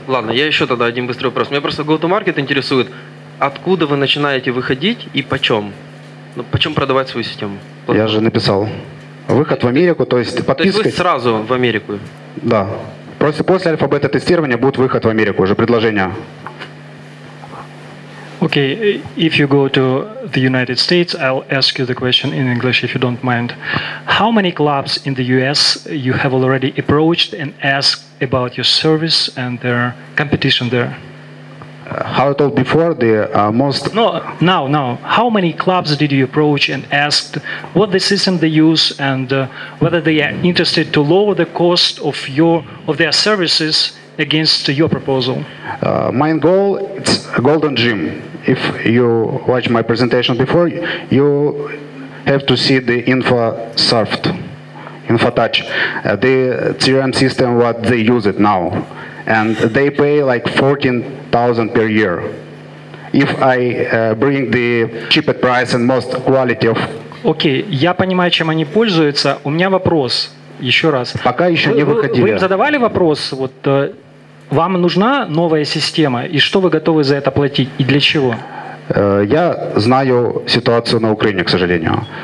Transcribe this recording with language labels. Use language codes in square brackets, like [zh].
[ru] Ладно, я еще тогда один быстрый вопрос. Меня просто go-to-market интересует, откуда вы начинаете выходить и почем? Ну, почем продавать свою систему? Платно. Я же написал. Выход в Америку, то есть подписка. То есть вы сразу в Америку? Да. Просто после альфа-бета-тестирования будет выход в Америку, уже предложение. [en] Okay, if you go to the United States, I'll ask you the question in English, if you don't mind. How many clubs in the US you have already approached and asked about your service and their competition there? How I told before, the most... No, now, now. How many clubs did you approach and asked what the system they use and whether they are interested to lower the cost of your of their services against your proposal? My goal, it's Golden Gym. If you watch my presentation before, you have to see the InfoSurft, InfoTouch, the CRM system, what they use it now. And they pay like 14,000 per year. If I bring the cheapest price and most quality of... [ru] Окей, я понимаю, чем они пользуются. У меня вопрос, еще раз. Пока еще не выходили. Вы им задавали вопрос, вот, вам нужна новая система, и что вы готовы за это платить, и для чего? Я знаю ситуацию на Украине, к сожалению.